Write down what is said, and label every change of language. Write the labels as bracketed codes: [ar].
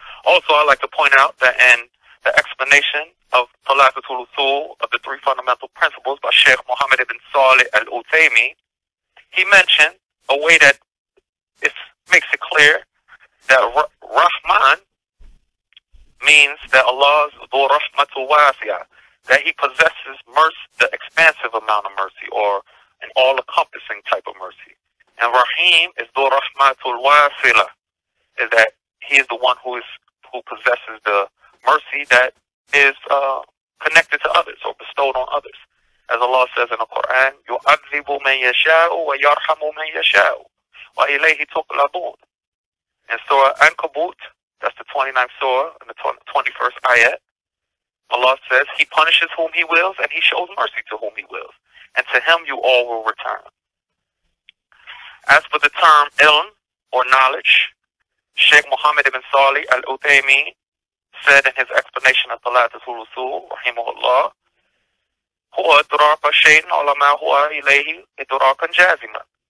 [en] Also, I'd like to point out that in the explanation of Thalaatha tul-Usool of the three fundamental principles by Sheikh Muhammad ibn Saalih al-Utaymi, he mentioned a way that it makes it clear that Rahman means that Allah is [ar] dhu rahmatu wasi'a, [en] that he possesses mercy, the expansive amount of mercy, or an all-encompassing type of mercy. And Rahim is [ar] dhu rahmatu wasi'a, [en] is that he is the one who possesses the mercy that is connected to others or bestowed on others. [ar] As Allah says in the Quran, يُعَذِّبُ مَنْ يَشَاءُ وَيَرْحَمُ مَنْ يَشَاءُ وَإِلَيْهِ تُقْلَبُونَ. [en] In Surah Ankabut, that's the 29th surah and the 21st ayat, Allah says, he punishes whom he wills and he shows mercy to whom he wills, and to him you all will return. As for the term ilm or knowledge, Sheikh Muhammad ibn Saalih al-Uthaymeen said in his explanation of Thalaatha tul-Usool, rahimahullah, [ar] huwa idraka shay'in ala ma huwa ilayhi idrakan jaziman.